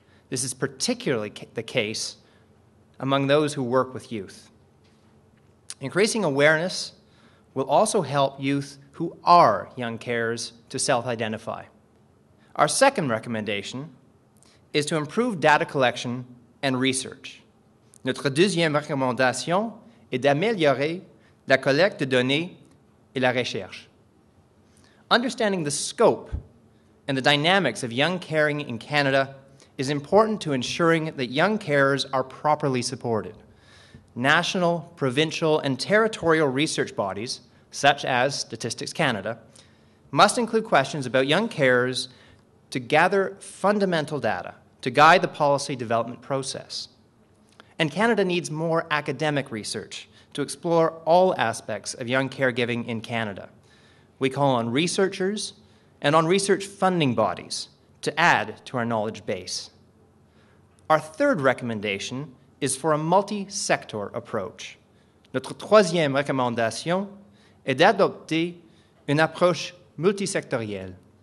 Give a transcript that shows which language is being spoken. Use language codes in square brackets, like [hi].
[en] This is particularly the case among those who work with youth. Increasing awareness will also help youth who are young carers to self-identify. Our second recommendation is to improve data collection and research. [fr] Notre deuxième recommandation est d'améliorer la collecte de données et la recherche. [en] Understanding the scope and the dynamics of young caring in Canada is important to ensuring that young carers are properly supported. National, provincial, and territorial research bodies, such as Statistics Canada, must include questions about young carers to gather fundamental data to guide the policy development process. And Canada needs more academic research to explore all aspects of young caregiving in Canada. We call on researchers and on research funding bodies to add to our knowledge base. Our third recommendation is for a multi-sector approach. [fr] Notre troisième recommandation est d'adopter une approche multisectorielle.